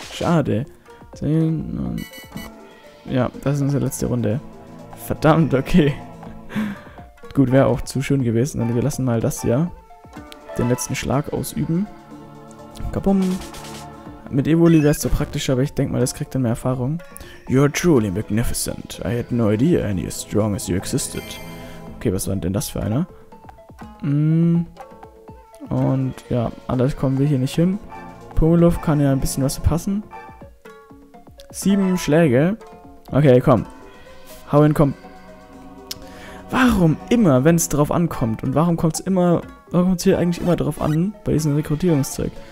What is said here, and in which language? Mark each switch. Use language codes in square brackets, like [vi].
[de] Schade. 10 und... Ja, das ist unsere letzte Runde. Verdammt, okay. Gut, wäre auch zu schön gewesen. Und wir lassen mal das hier. Den letzten Schlag ausüben. Kabumm. Mit Evoli wäre es so praktisch, aber ich denke mal, das kriegt dann mehr Erfahrung. [en] You're truly magnificent. I had no idea any as strong as you existed. [de] Okay, was war denn das für einer? Und ja, anders kommen wir hier nicht hin. Pummeluff kann ja ein bisschen was verpassen. 7 Schläge. Okay, komm. Hau hin, komm. Warum immer, wenn es drauf ankommt? Und warum kommt es hier eigentlich immer drauf an? Bei diesem Rekrutierungszeug.